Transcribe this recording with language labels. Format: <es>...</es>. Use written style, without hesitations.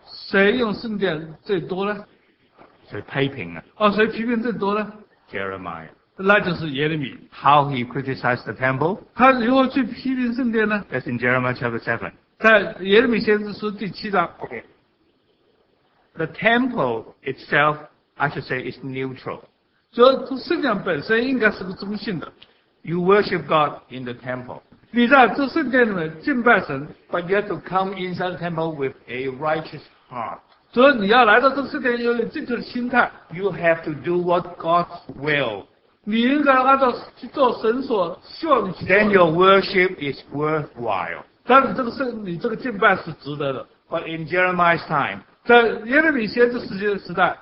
<zh>谁用圣殿最多呢？谁批评啊？哦，谁批评最多呢？</zh> <en>Jeremiah.</en> <zh>那就是耶利米。</zh> <en>How he criticized the temple?</en> <zh>他如何去批评圣殿呢？</zh> <en>That's in Jeremiah chapter 7.</en> <zh>在耶利米先知书第七章。</zh> <en>Okay. The temple itself, I should say, is neutral.</en> <zh>所以圣殿本身应该是个中性的。</zh> <en>You worship God in the temple.</en> <zh>你在这圣殿里面敬拜神。</zh> <en>But you have to come inside the temple with a righteous heart.</en> <zh>所以你要来到这圣殿要有正确的心态。</zh> <en>You have to do what God's will.</en> <zh>你应该按照去做神所希望你去做的。</zh> <en>Then your worship is worthwhile.</en> <zh>但是这个圣，你这个敬拜是值得的。</zh> <en>But in Jeremiah's time,</en> <zh>在耶利米先知时期的时代</zh>